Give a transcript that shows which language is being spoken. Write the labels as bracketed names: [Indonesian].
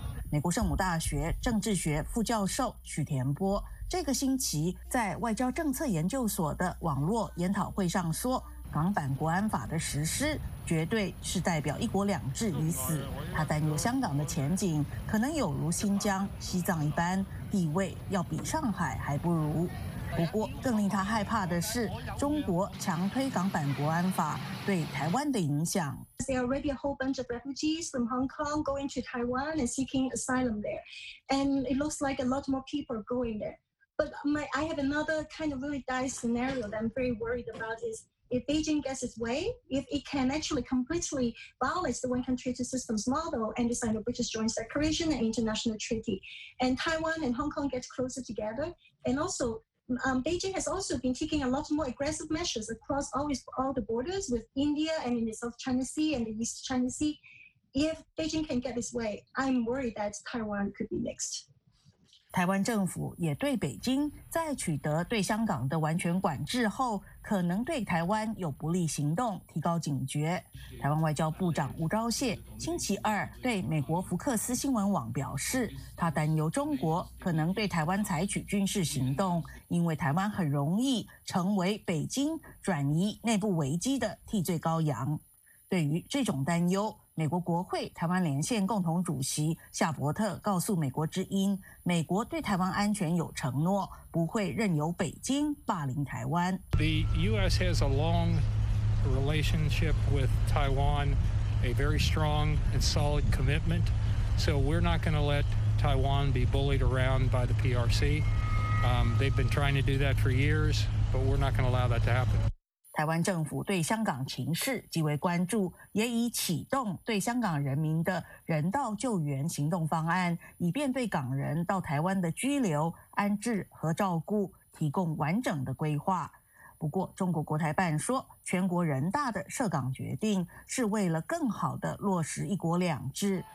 [Chinese] 美国圣母大学政治学副教授许田波这个星期在外交政策研究所的网络研讨会上说，港版国安法的实施绝对是代表一国两制已死，他担忧香港的前景可能有如新疆、西藏一般，地位要比上海还不如。不过更令他害怕的是，中国强推港版国安法对台湾的影响。 [English] There are already a whole bunch of refugees from Hong Kong going to Taiwan and seeking asylum there. And it looks like a lot more people are going there. But I have another kind of really dire scenario that I'm very worried about is if Beijing gets its way, if it can actually completely violate the One Country Two Systems model and design a British Joint Declaration and international treaty, and Taiwan and Hong Kong get closer together, and also,Beijing has also been taking a lot more aggressive measures across all the borders with India and in the South China Sea and the East China Sea. If Beijing can get its way, I'm worried that Taiwan could be next. [Chinese] 台湾政府也对北京在取得对香港的完全管制后可能对台湾有不利行动提高警觉。台湾外交部长吴钊燮星期二对美国福克斯新闻网表示，他担忧中国可能对台湾采取军事行动，因为台湾很容易成为北京转移内部危机的替罪羔羊。对于这种担忧，美国国会台湾连线共同主席夏伯特告诉美国之音，美国对台湾安全有承诺，不会任由北京霸凌台湾。 [English] The U.S. has a long relationship with Taiwan, a very strong and solid commitment. So we're not going to let Taiwan be bullied around by the PRC. They've been trying to do that for years, but we're not going to allow that to happen. [Chinese] 台湾政府对香港情势极为关注，也已启动对香港人民的人道救援行动方案，以便对港人到台湾的居留、安置和照顾提供完整的规划。不过，中国国台办说，全国人大的设港决定是为了更好地落实一国两制。